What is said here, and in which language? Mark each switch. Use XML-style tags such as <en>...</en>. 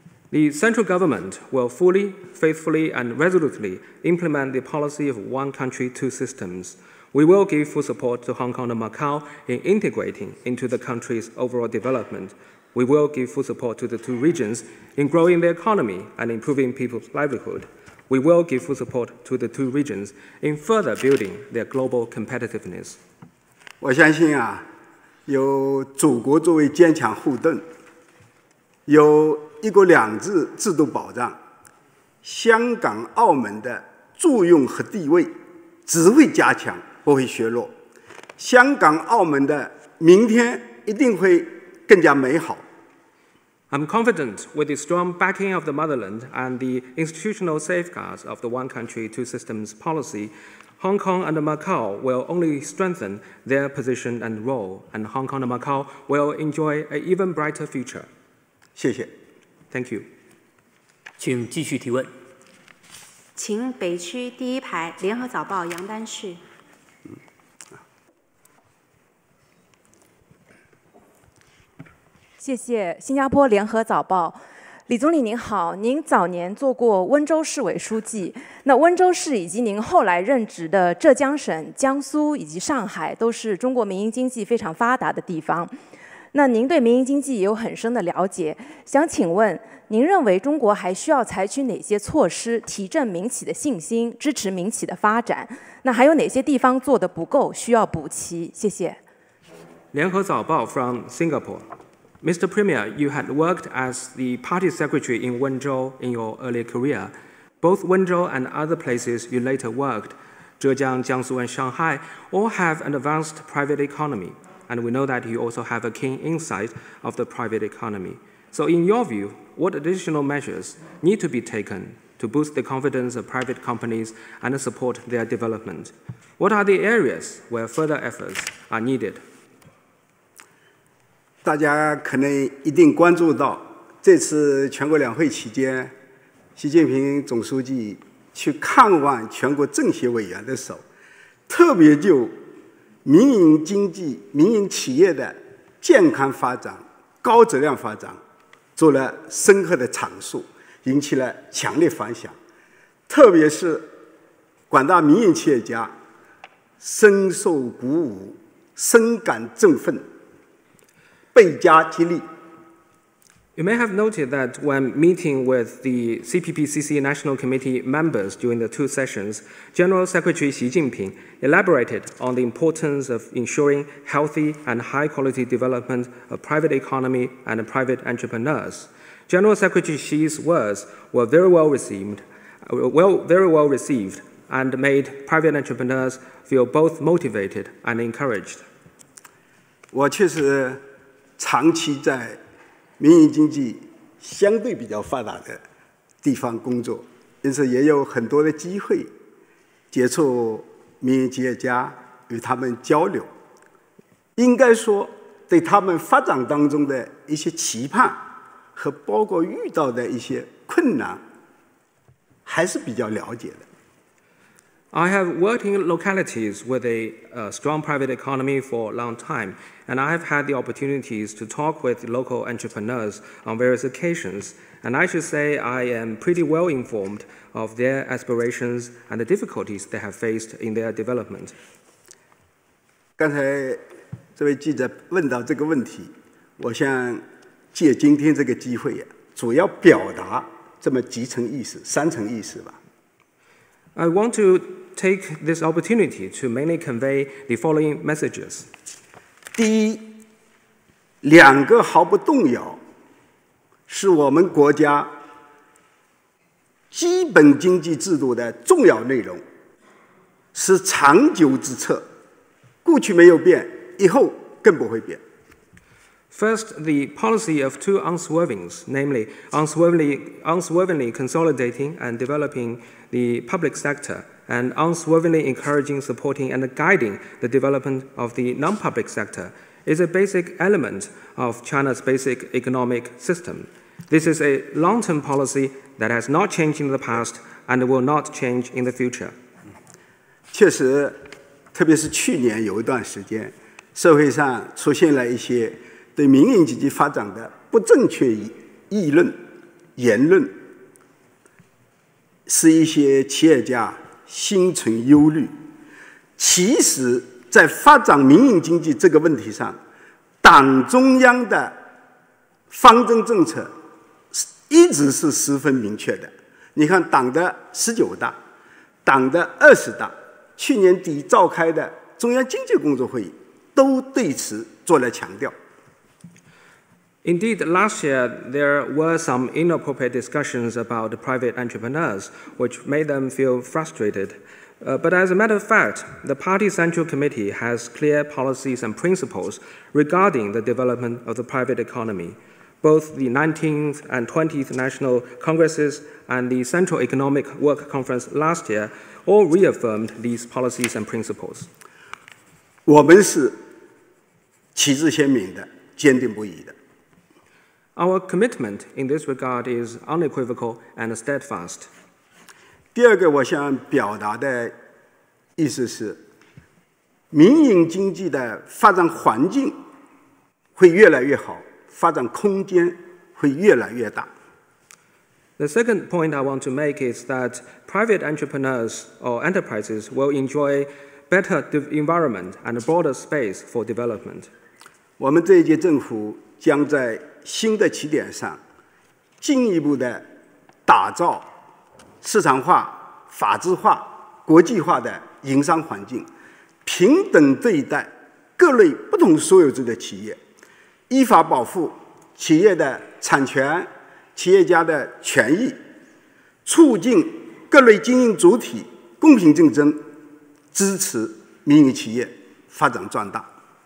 <en>The central government will fully, faithfully, and resolutely implement the policy of one country, two systems. We will give full support to Hong Kong and Macau in integrating into the country's overall development. We will give full support to the two regions in growing the economy and improving people's livelihood. We will give full support to the two regions in further building their global competitiveness.</en> <zh>我相信啊，有祖国作为坚强护盾，有一国两制制度保障，香港、澳门的作用和地位只会加强，不会削弱。香港、澳门的明天一定会更加美好。</zh> <en>I'm confident with the strong backing of the motherland and the institutional safeguards of the one country, two systems policy, Hong Kong and Macau will only strengthen their position and role, and Hong Kong and Macau will enjoy an even brighter future.</en> <zh>谢谢。</zh> <en>Thank you.</en> <zh>请继续提问。请北区第一排《联合早报》杨丹旭。谢谢。新加坡《联合早报》，李总理您好，您早年做过温州市委书记，那温州市以及您后来任职的浙江省、江苏以及上海，都是中国民营经济非常发达的地方。那您对民营经济也有很深的了解，想请问您认为中国还需要采取哪些措施提振民企的信心，支持民企的发展？那还有哪些地方做得不够，需要补齐？谢谢。</zh> <en>联合早报 from Singapore. Mr. Premier, you had worked as the party secretary in Wenzhou in your early career. Both Wenzhou and other places you later worked, Zhejiang, Jiangsu and Shanghai, all have an advanced private economy. And we know that you also have a keen insight of the private economy. So in your view, what additional measures need to be taken to boost the confidence of private companies and support their development? What are the areas where further efforts are needed?</en> <zh>大家可能一定关注到，这次全国两会期间，习近平总书记去看望全国政协委员的时候，特别就民营经济、民营企业的健康发展、高质量发展做了深刻的阐述，引起了强烈反响，特别是广大民营企业家深受鼓舞、深感振奋，倍加激励。</zh> <en>You may have noted that when meeting with the CPPCC National Committee members during the two sessions, General Secretary Xi Jinping elaborated on the importance of ensuring healthy and high-quality development of private economy and private entrepreneurs. General Secretary Xi's words were very well received, and made private entrepreneurs feel both motivated and encouraged.</en> <zh>我确实长期在民营经济相对比较发达的地方工作，因此也有很多的机会接触民营企业家，与他们交流。应该说，对他们发展当中的一些期盼和包括遇到的一些困难，还是比较了解的。</zh> <en>I have worked in localities with a strong private economy for a long time, and I have had the opportunities to talk with local entrepreneurs on various occasions, and I should say I am pretty well informed of their aspirations and the difficulties they have faced in their development.</en> <zh>刚才这位记者问到这个问题，我想借今天这个机会，主要表达这么几层意思，三层意思吧。</zh> <en>I want to take this opportunity to mainly convey the following messages.</en> <zh>第一，两个毫不动摇，是我们国家基本经济制度的重要内容，是长久之策，过去没有变，以后更不会变。</zh> <en>First, the policy of two unswervings, namely unswervingly consolidating and developing the public sector, and unswervingly encouraging, supporting, and guiding the development of the non-public sector, is a basic element of China's basic economic system. This is a long-term policy that has not changed in the past and will not change in the future.</en> <zh>确实，特别是去年有一段时间，社会上出现了一些对民营经济发展的不正确议论、言论，使一些企业家心存忧虑。其实，在发展民营经济这个问题上，党中央的方针政策一直是十分明确的。你看，党的十九大、党的二十大，去年底召开的中央经济工作会议，都对此做了强调。</zh> <en>Indeed, last year there were some inappropriate discussions about private entrepreneurs, which made them feel frustrated. But as a matter of fact, the Party Central Committee has clear policies and principles regarding the development of the private economy. Both the 19th and 20th National Congresses and the Central Economic Work Conference last year all reaffirmed these policies and principles.</en> <zh>我们是旗帜鲜明的，坚定不移的。</zh> <en>Our commitment in this regard is unequivocal and steadfast.</en> <zh>第二个我想表达的意思是，民营经济的发展环境会越来越好，发展空间会越来越大。</zh> <en>The second point I want to make is that private entrepreneurs or enterprises will enjoy better environment and a broader space for development.</en> <zh>我们这一届政府将在新的起点上进一步的打造市场化、法治化、国际化的营商环境，平等对待各类不同所有制的企业，依法保护企业的产权、企业家的权益，促进各类经营主体公平竞争，支持民营企业发展壮大。</zh>